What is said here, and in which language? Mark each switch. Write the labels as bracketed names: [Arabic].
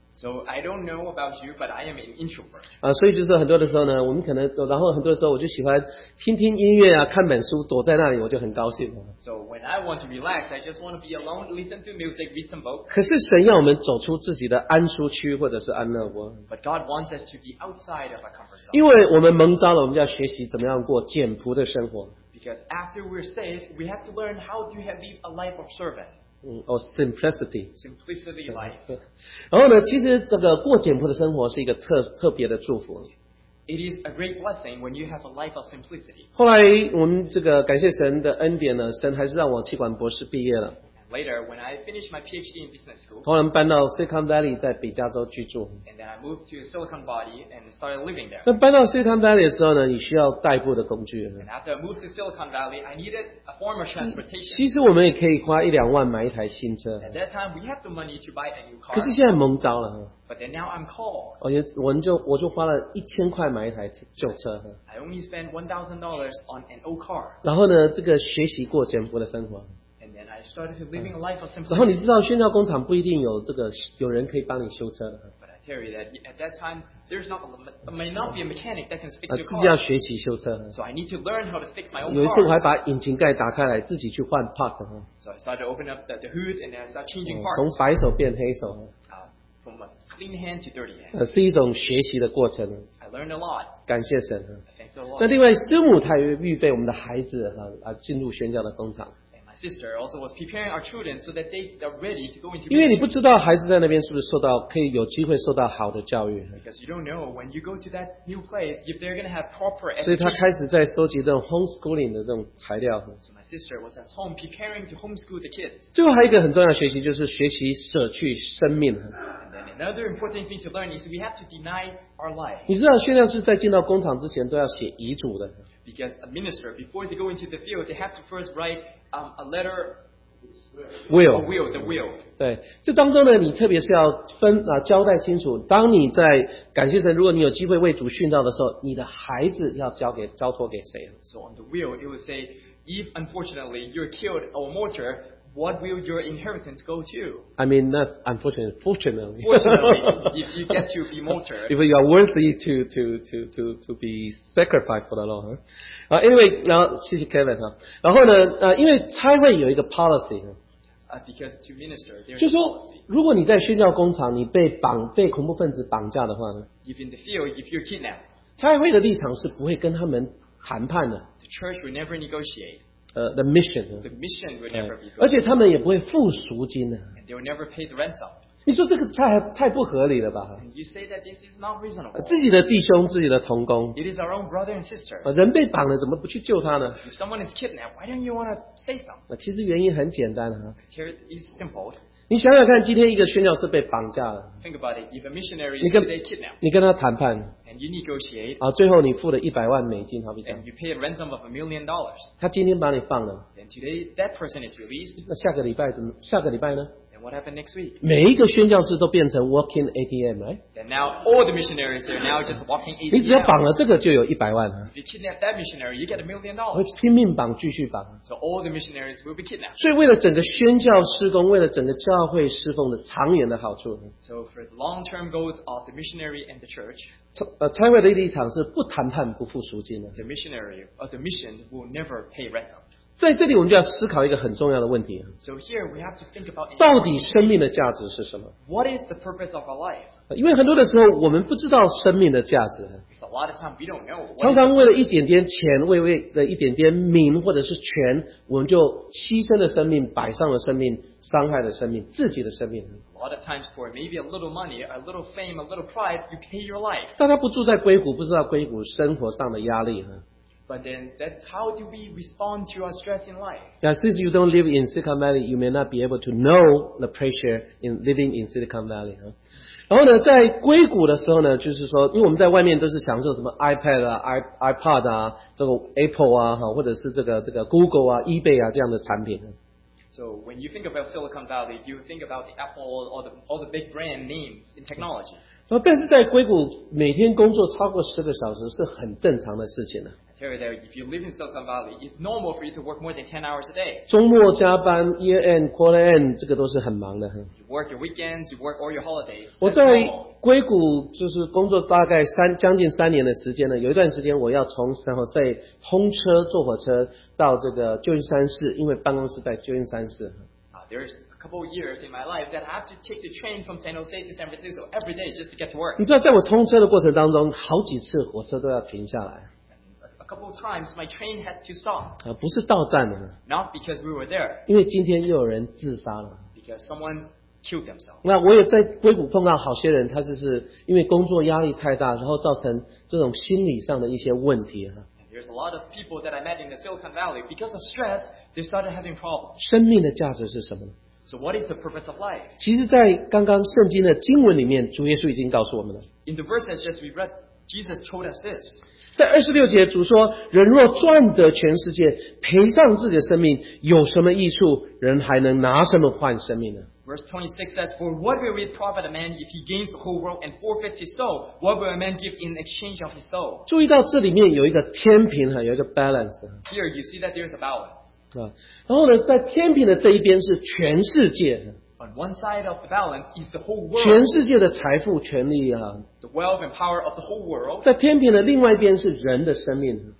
[English] So I don't know about you, but I am an introvert. [Chinese] 所以就是很多的时候呢，我们可能，然后很多的时候我就喜欢听听音乐啊，看本书，躲在那里，我就很高兴。 [English] So when I want to relax, I just want to be alone, listen to music, read some books. [Chinese] 可是神要我们走出自己的安舒区或者是安乐窝。 [English] But God wants us to be outside of our comfort zone. [Chinese] 因为我们蒙召了，我们要学习怎么样过简朴的生活。 [English] Because after we're saved, we have to learn how to live a life of servant. Or simplicity. Simplicity life. [Chinese] 然后呢，其实这个过简朴的生活是一个特别的祝福。 [English] It is a great blessing when you have a life of simplicity. [Chinese] 后来我们这个感谢神的恩典呢，神还是让我气管博士毕业了。 [English] Later, when I finished my PhD in business school, [Chinese] 突然搬到 Silicon Valley 在北加州居住。 [English] And then I moved to Silicon Valley and started living there. [Chinese] 那搬到 Silicon Valley 的时候呢，你需要代步的工具。 [English] And after I moved to Silicon Valley, I needed a form of transportation. [Chinese] 其实我们也可以花一两万买一台新车。 [English] At that time, we have the money to buy a new car. [Chinese] 可是现在蒙召了。 [English] But then now I'm called. [Chinese] 我就花了1000块买一台旧车。 [English] I only spent $1,000 on an old car. [Chinese] 然后呢，这个学习过简朴的生活。 [English] Started living a life of simplicity. [Chinese] 然后你知道宣教工厂不一定有这个有人可以帮你修车的。 [English] But I tell you that at that time there's not may not be a mechanic that can fix your car. [Chinese] 自己要学习修车。 [English] So I need to learn how to fix my own car. [Chinese] 有一次我还把引擎盖打开来自己去换 part. [English] So I started to open up the hood and then I started changing parts. [Chinese] 从白手变黑手。 [English] From a clean hand to dirty hand. [Chinese] 是一种学习的过程。 [English] I learned a lot. [Chinese] 感谢神。 [English] Thanks a lot. [Chinese] 那另外师母她也预备我们的孩子进入宣教的工厂。 [English] Sister also was preparing our children so that they are ready to go into ministry. [Chinese] 因为你不知道孩子在那边是不是受到可以有机会受到好的教育。 [English] Because you don't know when you go to that new place if they're going to have proper education. [Chinese] 所以他开始在收集这种 homeschooling 的这种材料。 [English] So my sister was at home preparing to homeschool the kids. [Chinese] 最后还有一个很重要的学习就是学习舍去生命。 [English] And then another important thing to learn is we have to deny our life. [Chinese] 你知道训练是在进到工厂之前都要写遗嘱的。 [English] Because a minister, before they go into the field, they have to first write a letter. Will. [Chinese] 对，这当中呢，你特别是要交代清楚。当你在感谢神，如果你有机会为主殉道的时候，你的孩子要交托给谁 [English] ？So on the will, it will say, if unfortunately you're killed or martyred, what will your inheritance go to? I mean, not unfortunately, fortunately. Fortunately, if you get to be martyred, if you are worthy to be sacrificed for the Lord. Anyway, [Chinese] 然后谢谢 Kevin 哈。然后呢，因为差会有一个 policy 哈。 [English] Because to minister, [Chinese] 就说如果你在宣教工厂，你被恐怖分子绑架的话呢 [English] ？If in the field, if you're kidnapped, [Chinese] 差会的立场是不会跟他们谈判的。 [English] The church will never negotiate. The mission will never be fulfilled. [Chinese] 而且他们也不会付赎金的。 [English] And they will never pay the ransom. [Chinese] 你说这个太不合理了吧 [English] ？And you say that this is not reasonable. [Chinese] 自己的弟兄，自己的同工。 [English] It is our own brother and sister. [Chinese] 人被绑了，怎么不去救他呢 [English] ？If someone is kidnapped, why don't you want to save them? [Chinese] 其实原因很简单啊。 [English] Here is simple. [Chinese] 你想想看，今天一个宣教士被绑架了。 [English] Think about it. If a missionary is today kidnapped, [Chinese] 你跟他谈判。 [English] And you negotiate. [Chinese] 最后你付了$100,000，好比这样。 [English] And you pay a ransom of $1,000,000. [Chinese] 他今天把你放了。 [English] And today that person is released. [Chinese] 那下个礼拜呢？ [English] What happened next week? [Chinese] 每一个宣教士都变成 [English] walking ATM, right? And now all the missionaries are now just walking ATM. [Chinese] 你只要绑了这个就有100万。 [English] If you kidnap that missionary, you get $1,000,000. [Chinese] 会拼命绑，继续绑。 [English] So all the missionaries will be kidnapped. [Chinese] 所以为了整个宣教施工，为了整个教会侍奉的长远的好处。 [English] So for the long-term goals of the missionary and the church. [Chinese] 差会的立场是不谈判不付赎金的。 [English] The missionary or the mission will never pay ransom. [Chinese] 在这里我们就要思考一个很重要的问题。 [English] So here we have to think about [Chinese] 到底生命的价值是什么？ [English] What is the purpose of our life? [Chinese] 因为很多的时候我们不知道生命的价值。 [English] A lot of time we don't know. [Chinese] 常常为了一点点钱，为了一点点名或者是权，我们就牺牲了生命，摆上了生命，伤害了生命，自己的生命。 [English] A lot of times for maybe a little money, a little fame, a little pride, you pay your life. [Chinese] 大家不住在硅谷，不知道硅谷生活上的压力。 [English] But then, that how do we respond to our stress in life? Now, since you don't live in Silicon Valley, you may not be able to know the pressure in living in Silicon Valley.、Huh? [Chinese] 然后呢，在硅谷的时候呢，就是说，因为我们在外面都是享受什么 iPad 啊、iPod 啊、这个 Apple 啊，或者是这个 Google 啊、eBay 啊这样的产品。 [English] So when you think about Silicon Valley, you think about the Apple or all the big brand names in technology. [Chinese] 然后，但是在硅谷每天工作超过10个小时是很正常的事情呢。 [English] There, if you live in Silicon Valley, it's normal for you to work more than 10 hours a day. [Chinese] 周末加班 [English] year end, quarter end, [Chinese] 这个都是很忙的。 [English] You work your weekends, you work all your holidays. [Chinese] 我在硅谷就是工作大概将近三年的时间呢，有一段时间我要从San Jose通车坐火车到这个旧金山市，因为办公室在旧金山市。 [English] There's a couple of years in my life that I have to take the train from San Jose to San Francisco every day just to get to work. [Chinese] 你知道在我通车的过程当中，好几次火车都要停下来。 [English] A couple of times, my train had to stop. [Chinese] 不是到站的。 [English] Not because we were there. [Chinese] 因为今天又有人自杀了。 [English] Because someone killed themselves. [Chinese] 那我也在硅谷碰到好些人，他就是因为工作压力太大，然后造成这种心理上的一些问题。 [English] There's a lot of people that I met in the Silicon Valley because of stress, they started having problems. [Chinese] 生命的价值是什么呢？ [English] So what is the purpose of life? [Chinese] 其实，在刚刚圣经的经文里面，主耶稣已经告诉我们了。 [English] In the verses just we read, Jesus told us this. [Chinese] 在26节，主说：“人若赚得全世界，赔上自己的生命，有什么益处？人还能拿什么换生命呢？” [English] Verse 26 says, "For what will it profit a man if he gains the whole world and forfeits his soul? What will a man give in exchange of his soul?" [Chinese] 注意到这里面有一个天平哈，有一个 balance。 [English] Here you see that there is a balance. [Chinese] 然后呢，在天平的这一边是全世界。 [English] On one side of the balance is the whole world. [Chinese] 全世界的财富、权力啊。 [English] The wealth and power of the whole world. [Chinese] 在天平的另外一边是人的生命。